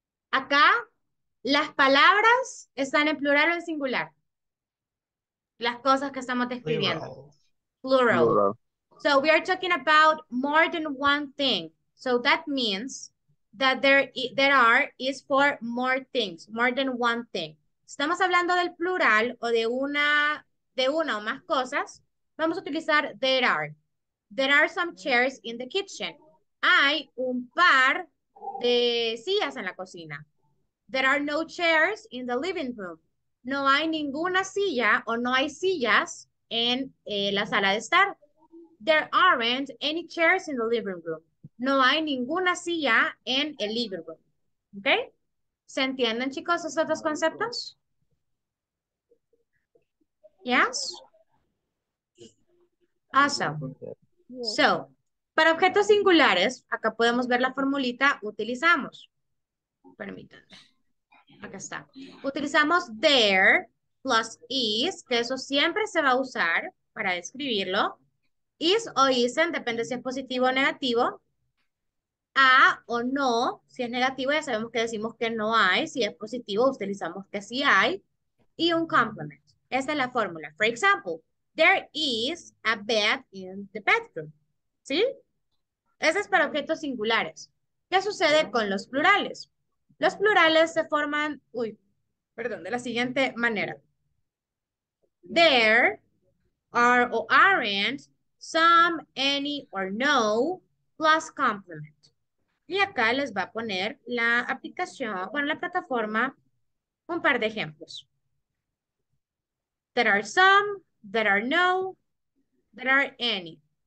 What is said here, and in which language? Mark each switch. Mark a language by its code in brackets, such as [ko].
[es] Acá, las palabras están en plural o en singular. Las cosas que estamos describiendo. Plural. [en] So we are talking about more than one thing. So that means that there are is for more things, more than one thing. [es] Estamos hablando del plural o de una o más cosas. Vamos a utilizar [en] there are. There are some chairs in the kitchen. [es] Hay un par de sillas en la cocina. [en] There are no chairs in the living room. [es] No hay ninguna silla o no hay sillas en la sala de estar. [en] There aren't any chairs in the living room. [es] No hay ninguna silla en el living room. ¿Ok? ¿Se entienden, chicos, esos dos conceptos? [en] Yes? Awesome. So, [es] para objetos singulares, acá podemos ver la formulita, utilizamos. Permítanme. Acá está. Utilizamos there plus is, que eso siempre se va a usar para describirlo. Is o isn't, depende si es positivo o negativo. A o no, si es negativo ya sabemos que decimos que no hay. Si es positivo, utilizamos que sí hay. Y un complement. Esa es la fórmula. [en] For example, there is a bed in the bedroom. [es] ¿Sí? Ese es para objetos singulares. ¿Qué sucede con los plurales? Los plurales se forman, de la siguiente manera. [en] There are or aren't some, any, or no, plus complement. [es] Y acá les va a poner la aplicación, bueno, la plataforma, un par de ejemplos. [en] There are some, there are no, there are any.